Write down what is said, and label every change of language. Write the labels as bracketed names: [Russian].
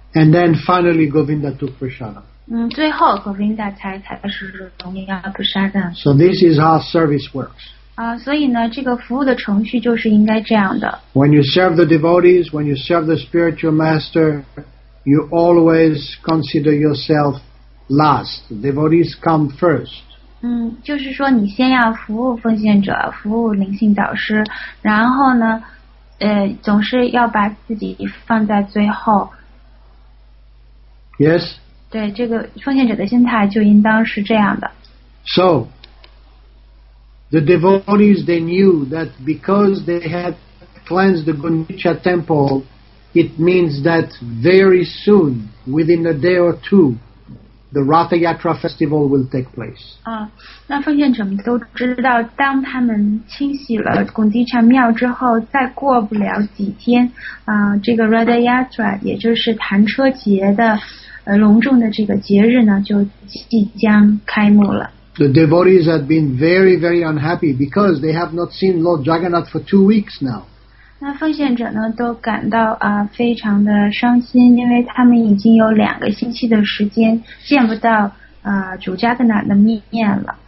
[English] And then finally Govinda took prasadam. [Chinese] 最后 Govinda 才是荣耀菩萨的。 [English] So this is how service works. [Chinese] 所以呢，这个服务的程序就是应该这样的。 [English] When you serve the devotees, when you serve the spiritual master, you always consider yourself last. The devotees come first. [Chinese] 就是说你先要服务奉献者，服务灵性导师，然后呢，总是要把自己放在最后。 [English] Yes. [Chinese] 对这个奉献者的心态就应当是这样的。 [English] So, the devotees they knew that because they had cleansed the Gunicha temple, it means that very soon, within a day or two, the Ratha Yatra festival will take place. [Chinese] 那奉献者们都知道，当他们清洗了Gunicha庙之后，再过不了几天，这个 Ratha Yatra 也就是弹车节的。隆重的这个节日呢，就即将开幕了。 [English] The devotees had been very, very unhappy because they have not seen Lord Jagannath for 2 weeks now. [Chinese] 那奉献者呢，都感到非常的伤心，因为他们已经有两个星期的时间见不到主 Jagannath 的面了。